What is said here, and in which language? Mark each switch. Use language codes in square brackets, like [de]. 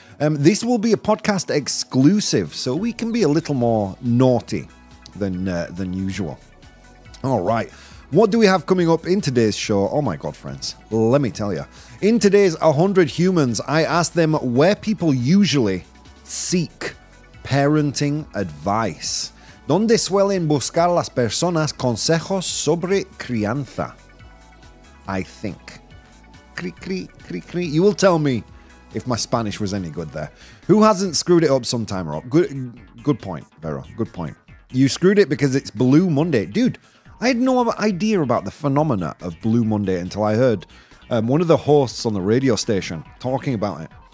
[en] This will be a podcast exclusive, so we can be a little more naughty than usual. All right, what do we have coming up in today's show? Oh my God, friends, let me tell you. In today's 100 Humans, I ask them where people usually seek parenting advice. [es] ¿Dónde suelen buscar las personas consejos sobre crianza? [en] I think. [es] Cree, cree, cree, cree. [en] You will tell me if my Spanish was any good there. Who hasn't screwed it up sometime, Rob? Good point, Vero. Good point. You screwed it because it's Blue Monday. Dude, I had no idea about the phenomena of Blue Monday until I heard one of the hosts on the radio station talking about it.